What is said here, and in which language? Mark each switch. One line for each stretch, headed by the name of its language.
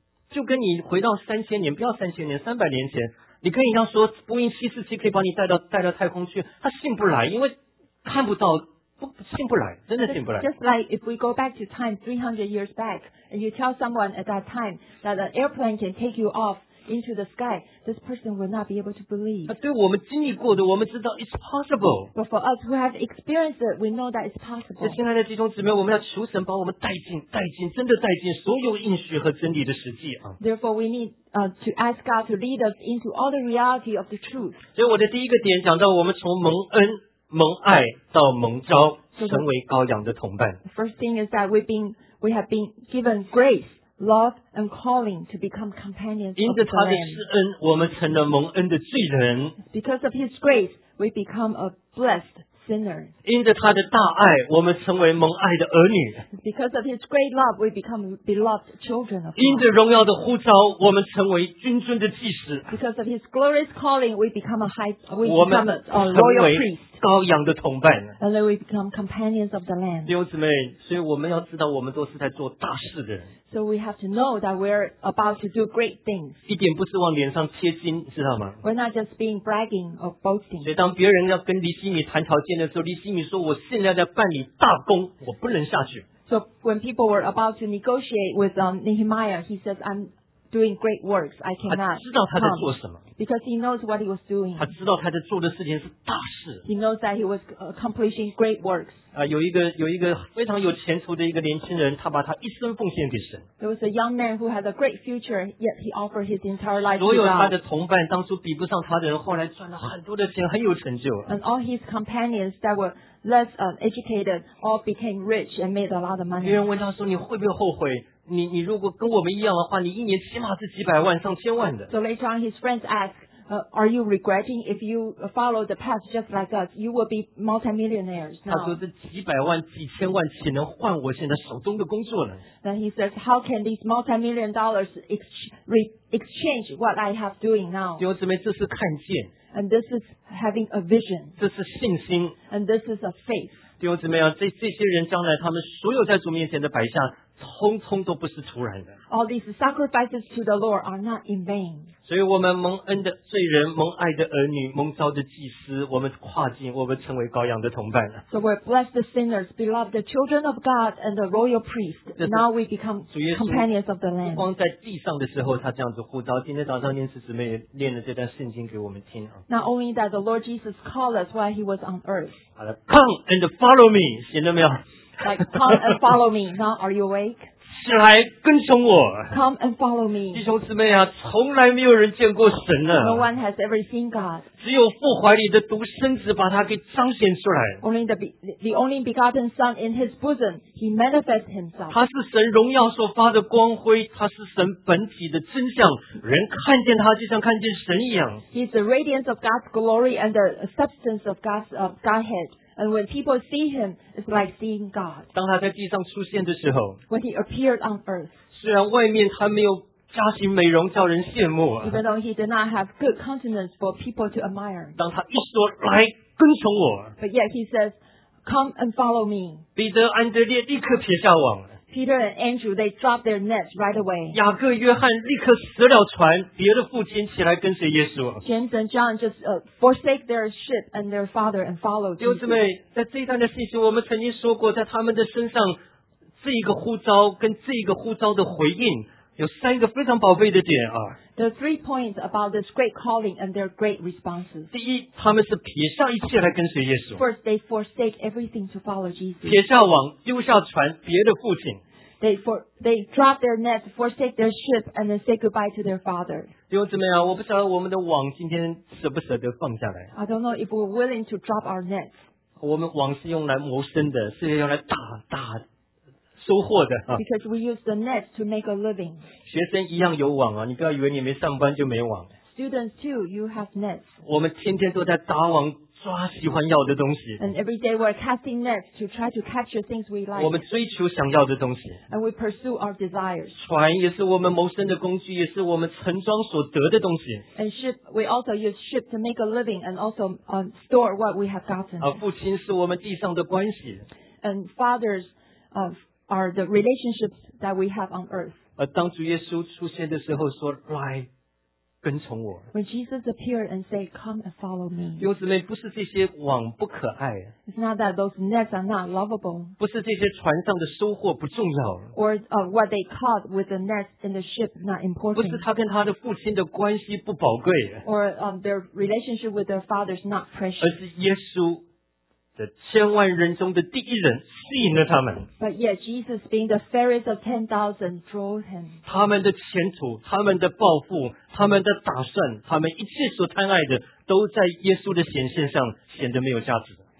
Chinese: 就跟你回到三千年，不要三千年，三百年前，你跟人家说波音747可以把你带到太空去，他信不来，因为看不到，信不来，真的信不来。
English: Just like if we go back to time 300 years back, and you tell someone at that time that an airplane can take you off. Into the sky, this person will not be able to believe.
Chinese: 对我们经历过的，我们知道
English: it's possible. But for us who have experienced it, we know that it's possible.
Chinese: 亲爱的弟兄姊妹，我们要求神把我们带进，真的带进所有应许和真理的实际啊。
English: Therefore, we need to ask God to lead us into all the reality of the truth.
Chinese: 所以我的第一个点讲到，我们从蒙恩、蒙爱到蒙召，成为羔羊的同伴。
English: The first thing is that we have been given grace. Love and calling to become companions.
Chinese: 因着他的施恩，我们成了蒙恩的罪人。
English: Because of his grace, we become a blessed sinner.
Chinese: 因着他的大爱，我们成为蒙爱的儿女。
English: Because of his great love, we become beloved children of God.
Chinese: 因着荣耀的呼召，我们成为君尊的祭司。
English: Because of his glorious calling, we become a high, we become a royal priest.
Chinese: 羔羊的同伴
English: and then we become companions of the Lamb.
Chinese: 弟兄姊妹，所以我们要知道，我们都是在做大事的人。
English: So we have to know that we're about to do great things.
Chinese: 一点不是往脸上贴金，知道吗
English: ？We're not just being bragging or boasting.
Chinese: 所以当别人要跟黎西米谈条件的时候，黎西米说：“我现在在办理大功，我不能下去。
English: ”So when people were about to negotiate with Nehemiah, he says, "I'm." Doing great works, I cannot.
Chinese: 他知道他在做什么。
English: Because he knows what he was doing.
Chinese: 他知道他在做的事情是大事。
English: He knows that he was accomplishing great works.
Chinese: 有一个非常有前途的一个年轻人，他把他一生奉献给神。
English: There was a young man who had a great future, yet he offered his entire life to
Chinese: God. 所有他的同伴当初比不上他的人，后来赚了很多的钱，很有成就。
English: And all his companions that were less educated all became rich and made a lot of money.
Chinese: 别人问他说：“你会不会后悔？” 你如果跟我们一样的话，你一年起码是几百万、上千万的。
English: So later on, his friends ask, "Are you regretting if you follow the path just like us? You will be multimillionaires."
Chinese: 他说：“这几百万、几千万岂能换我现在手中的工作呢
English: ？”Then he says, "How can these multimillion dollars exchange what I have doing now?"
Chinese: 弟兄姊妹，这是看见。
English: And this is having a vision.
Chinese: 这是信心。
English: And this is a faith.
Chinese: 弟兄姊妹啊，这些人将来他们所有在主面前的摆下。通通都不是徒然的。
English: All these sacrifices to the Lord are not in vain.
Chinese: 所以我们蒙恩的罪人，蒙爱的儿女，蒙召的祭司，我们跨境，我们成为羔羊的同伴了。
English: So we're blessed sinners, beloved children of God and the royal priest. Now we become companions of the Lamb.
Chinese: 光在地上的时候，他这样子呼召。今天早上念慈姊妹也念了这段圣经给我们听。
English: Not only that the Lord Jesus called us while he was on earth.
Chinese: 好了 ，
English: Come and follow me，
Chinese: 听到没有？
English: Like, come and follow me. Now, are you awake?
Chinese: 起来跟从我。
English: Come and follow me.
Chinese: 弟兄姊妹啊，从来没有人见过神呢。
English: No one has ever seen God.
Chinese: 只有父怀里的独生子把他给彰显出来。
English: Only the only begotten Son in His bosom, He manifests Himself.
Chinese: 他是神荣耀所发的光辉，他是神本体的真相。人看见他就像看见神一样。
English: He is the radiance of God's glory and the substance of God's of Godhead. And when people see him, it's like seeing God.
Chinese: 当他在地上出现的时候
English: when he appeared on earth,
Chinese: 虽然外面他没有加行美容叫人羡慕
English: even though he did not have good countenance for people to admire,
Chinese: 当他一说来跟从我
English: but yet he says, come and follow me.
Chinese: 彼得安德烈立刻撇下网
English: Peter and Andrew, they dropped their nets right away.
Chinese: 雅各约翰立刻舍了船别的父亲起来跟随耶稣
English: James and John just forsake their ship and their father and follow Jesus.
Chinese: 弟兄姊妹在这一段的信息我们曾经说过在他们的身上这一个呼召跟这一个呼召的回应有三个非常宝贝的点啊。
English: The three points about this great calling and their great responses.
Chinese: 第一他们是撇下一切来跟随耶稣。
English: First, they forsake everything to follow Jesus.
Chinese: 撇下网丢下船别的父亲。
English: They drop their nets, forsake their ship, and then say goodbye to their father.
Chinese: 弟兄姊妹啊我不知道我们的网今天舍不舍得放下来。
English: I don't know if we're willing to drop our nets.
Chinese: 我们网是用来谋生的是用来打的。收获的、啊、
English: Because we use the net to make a living.
Chinese: 学生一样有网啊，你不要以为你没上班就没网。
English: Students too, you have nets.
Chinese: 我们天天都在打网抓喜欢要的东西。
English: And every day we're casting nets to try to catch the things we like.
Chinese: 我们追求想要的东西。
English: And we pursue our desires.
Chinese: 船也是我们谋生的工具，也是我们盛装所得的东西。
English: And ship, we also use ship to make a living and also store what we have gotten.
Chinese: 啊，父亲是我们地上的关系。
English: And fathers of are the relationships that we have on earth.
Chinese: 当主耶稣出现的时候说来跟从我。
English: When Jesus appeared and said, come and follow me.
Chinese: 弟兄姊妹不是这些网不可爱。
English: It's not that those nets are not lovable.
Chinese: 不是这些船上的收获不重要。
English: Or what they caught with the nets in the ship not important.
Chinese: 不是他跟他的父亲的关系不宝贵。
English: Or their relationship with their father is not precious.
Chinese: 而是耶稣这千万人中的第一人吸引了他们。
English: But yet Jesus being the fairest of 10,000 drove him.
Chinese: 他们的前途、他们的抱负、他们的打算、他们一切所贪爱的，都在耶稣的显现上显得没有价值。